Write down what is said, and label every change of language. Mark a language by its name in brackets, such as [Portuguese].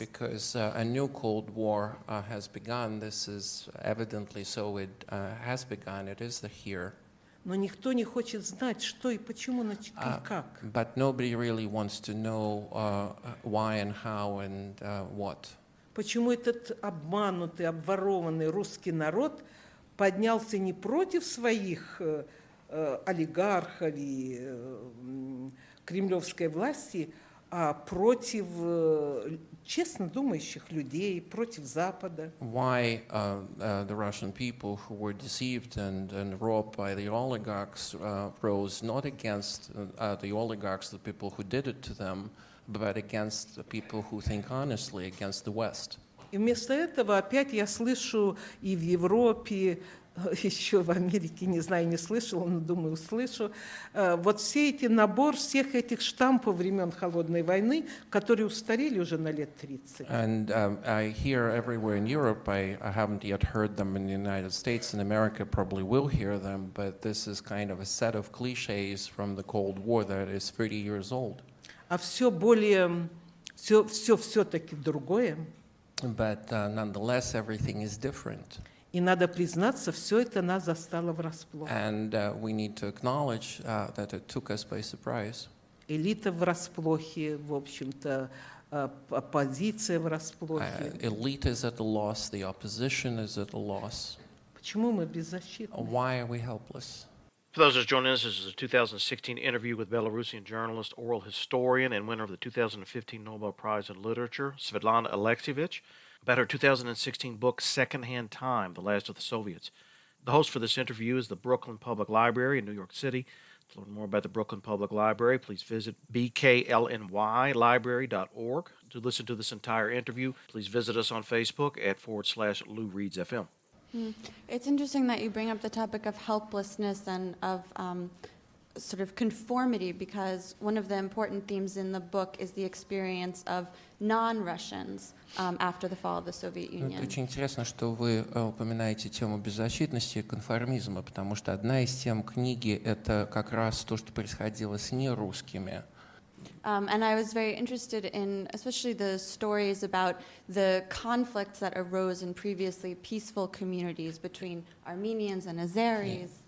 [English] Because a new Cold War has begun, this is evidently so, it has begun, it is here. [Russian] Но никто не хочет знать, что и почему и как. [English] But nobody really wants to know why and how and what. [Russian] Почему этот обманутый, обворованный русский народ поднялся не против своих олигархов и кремлевской власти, а против честно думающих людей, против Запада. [English] Why the Russian people who were deceived and robbed by the oligarchs rose not against the oligarchs, the people who did it to them, but against the people who think honestly, against the West. [Russian] И вместо этого опять я слышу и в Европе, еще в Америке, не знаю, не слышал, но думаю, услышу. Вот все эти набор всех этих штампов времен холодной войны, которые устарели уже на лет 30. [English] And I hear everywhere in Europe, I haven't yet heard them in the United States, and America probably will hear them, but this is kind of a set of cliches from the Cold War that is 30 years old. [Russian] А все более, все-таки другое. [English] But nonetheless, everything is different. [Russian] И надо признаться, все это нас застало врасплох. [English] And we need to acknowledge that it took us by surprise. [Russian] Элита врасплохе, в общем-то, оппозиция врасплохе. [English] Elite is at a loss, the opposition is at a loss. [Russian] Почему мы беззащитны? [English] Why are we helpless? For those just joining us, this is a 2016 interview with Belarusian journalist, oral historian, and winner of the 2015 Nobel Prize in Literature, Svetlana Alexievich. About her 2016 book, Secondhand Time, The Last of the Soviets. The host for this interview is the Brooklyn Public Library in New York City. To learn more about the Brooklyn Public Library, please visit bklnylibrary.org. To listen to this entire interview, please visit us on Facebook at @LouReadsFM. It's interesting that you bring up the topic of helplessness and of sort of conformity, because one of the important themes in the book is the experience of non-Russians after the fall of the Soviet Union. [Russian] Это очень интересно, что вы упоминаете тему беззащитности и конформизма, потому что одна из тем книги — это как раз то, что происходило с нерусскими. [English] And I was very interested in especially the stories about the conflicts that arose in previously peaceful communities between Armenians and Azeris.